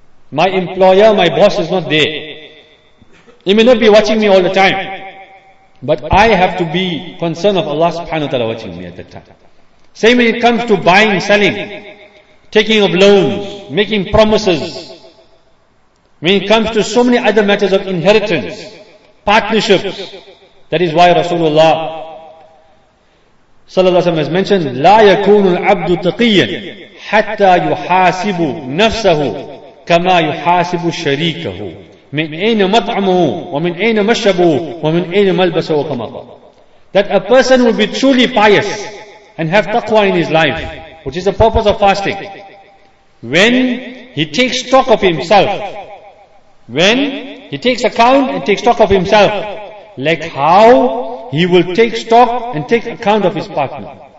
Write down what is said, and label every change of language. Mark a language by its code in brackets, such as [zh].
[en] My employer, my boss is not there. He may not be watching me all the time. But I have to be concerned of Allah subhanahu wa ta'ala watching me at that time. Same when it comes to buying, selling, taking of loans, making promises. When it comes to so many other matters of inheritance, partnerships, that is why Rasulullah sallallahu alaihi wasallam has mentioned, [ar] لا يكون العبد تقيا حتى يحاسب نفسه كما يحاسب شريكه من أين مطعمه ومن أين مشربه ومن أين ملبسه وكما قال. [en] That a person will be truly pious and have taqwa in his life, which is the purpose of fasting, when he takes stock of himself. When he takes account and takes stock of himself, like how he will take stock and take account of his partner.